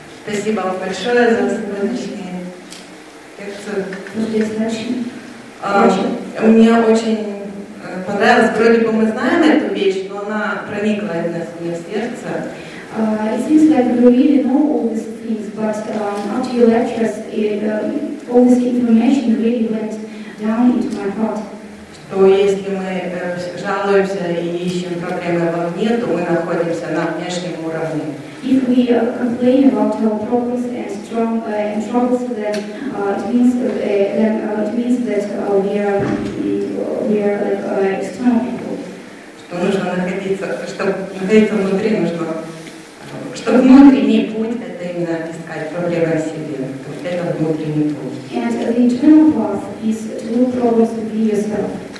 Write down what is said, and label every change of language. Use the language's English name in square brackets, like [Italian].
[Russian] Спасибо вам большое за сегодняшнее. Так что, ну, мне очень понравилось. Вроде бы мы знаем эту вещь, но она проникла в мое сердце. [English] It seems like we really know all these things, but after your lectures, all this information really went down into my heart. [Russian] То если мы жалуемся и ищем проблемы вовне, то мы находимся на внешнем уровне. [English] If we complain about our problems and troubles, then it means that we are external people. [Russian] Что нужно находиться, чтобы находиться внутри, нужно, чтобы внутренний путь это именно искать проблемы в себе. Это внутренний путь. [English] And the internal path is to look problems within yourself.